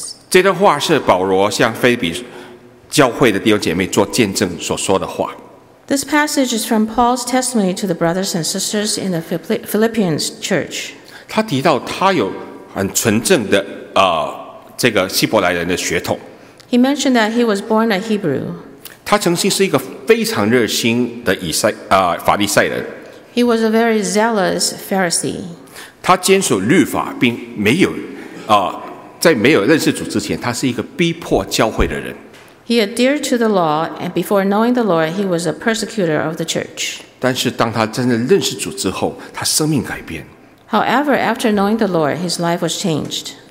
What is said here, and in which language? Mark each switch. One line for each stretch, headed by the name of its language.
Chinese: 这段话是保罗向腓立比教会的弟兄姐妹做见证所说的话。
English: This passage is from Paul's testimony to the brothers and sisters in the Philippians church.
Chinese: 他提到他有很纯正的这个希伯来人的血统。
English: He mentioned that he was born a Hebrew.
Chinese: 他曾经是一个非常热心的法利赛人。
English: He was a very zealous Pharisee.
Chinese: 他坚守律法，并没有在没有认识主之前，他是一个逼迫教会的人。
English: He adhered to the law, and before knowing the Lord, he was a persecutor of the church.
Chinese: 但是当他真的认识主之后，他生命改变。
English: However, after knowing the Lord, his life was changed.